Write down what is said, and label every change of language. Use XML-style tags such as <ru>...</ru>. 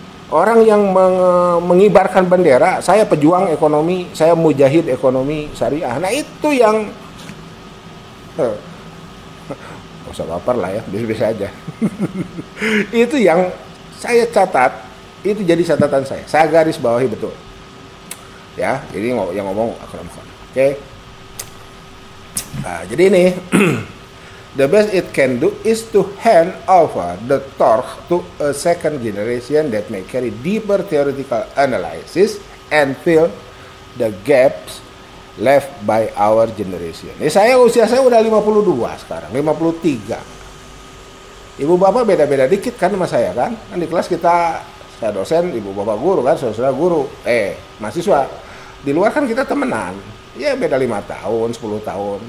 <id>orang yang mengibarkan bendera, saya pejuang ekonomi, saya mujahid ekonomi syariah. Nah itu yang gak usah baper lah ya, biasa-biasa aja. Itu yang saya catat, itu jadi catatan saya garis bawahi betul ya. Jadi yang ngomong akram khan, oke. Nah, jadi ini</id> <en>the best it can do is to hand over the torch to a second generation that may carry deeper theoretical analysis and fill the gaps left by our generation.</en> <id>Ini saya, usia saya udah 52 sekarang, 53. Ibu bapak beda-beda dikit kan sama saya kan? Kan di kelas kita, saya dosen, ibu bapak guru kan, saudara guru, mahasiswa. Di luar kan kita temenan. Ya beda 5 tahun, 10 tahun.</id>